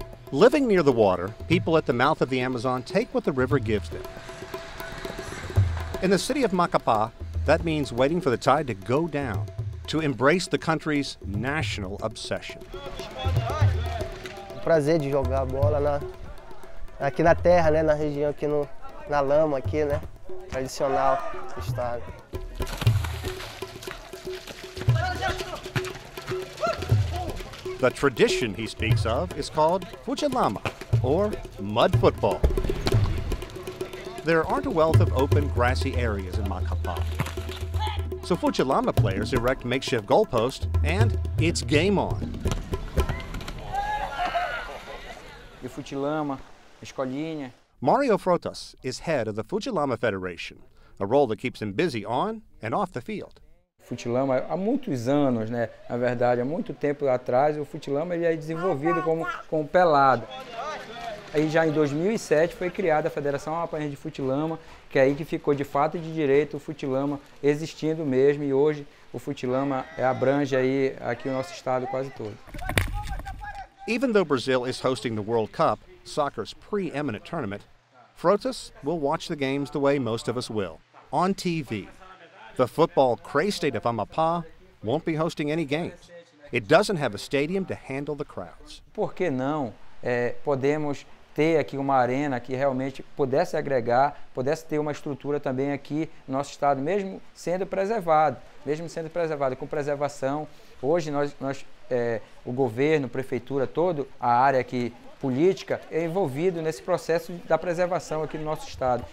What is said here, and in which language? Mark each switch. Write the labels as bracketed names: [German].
[English] Living near the water, people at the mouth of the Amazon take what the river gives them. In the city of Macapá, that means waiting for the tide to go down to embrace the country's national obsession. [Portuguese] Prazer de jogar a bola na aqui na terra, né, na região aqui no na lama aqui, né, tradicional do estado. [English] The tradition he speaks of is called futebol, or mud football. There aren't a wealth of open, grassy areas in Macapá. So futebol players erect makeshift goalposts, and it's game on. Mario Frotas is head of the futebol federation, a role that keeps him busy on and off the field. [Portuguese] Futilama, há muitos anos, né? Na verdade, há muito tempo atrás, o futilama ele é desenvolvido como pelada. Aí já em 2007 foi criada a Federação Amazonense de Futilama, que é aí que ficou de fato e de direito o futilama existindo mesmo, e hoje o futilama abrange aí aqui o nosso estado quase todo. [English] Even though Brazil is hosting the World Cup, soccer's preeminent tournament, Frotas will watch the games the way most of us will, on TV. The football crazed state of Amapá won't be hosting any games. It doesn't have a stadium to handle the crowds. [Portuguese] Por que não podemos ter aqui uma arena que realmente pudesse agregar, pudesse ter uma estrutura também aqui no nosso estado, mesmo sendo preservado, com preservação. Hoje o governo, prefeitura, toda a área aqui política é envolvido nesse processo da preservação aqui no nosso estado.